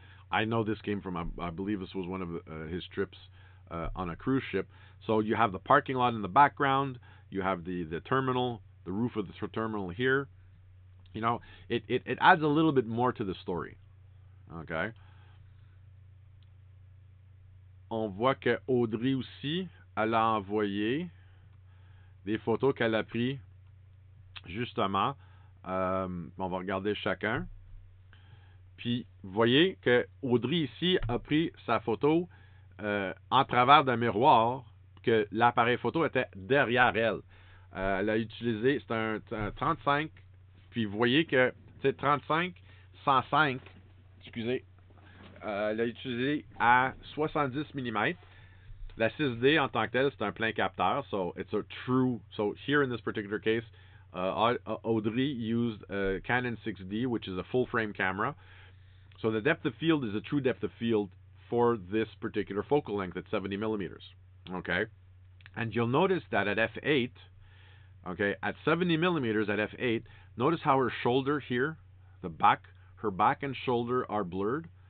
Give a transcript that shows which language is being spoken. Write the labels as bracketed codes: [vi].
[en] I know this came from, I believe this was one of his trips on a cruise ship. So you have the parking lot in the background. You have the terminal, the roof of the terminal here. You know, it adds a little bit more to the story. Okay. [fr] On voit que Audrey aussi, elle a envoyé des photos qu'elle a prises justement. On va regarder chacun. Puis, voyez que Audrey ici a pris sa photo en travers d'un miroir, que l'appareil photo était derrière elle. Elle a utilisé, c'est un 35. Puis voyez que, tu sais, 35-105, excusez, elle a utilisé à 70 mm. La 6D en tant que telle, c'est un plein capteur. [en] So, it's a true. So, here in this particular case, Audrey used a Canon 6D, which is a full-frame camera. So, the depth of field is a true depth of field for this particular focal length at 70 millimeters. Okay? And you'll notice that at F8, okay, at 70 millimeters at F8, notice how her shoulder here, her back and shoulder are blurred.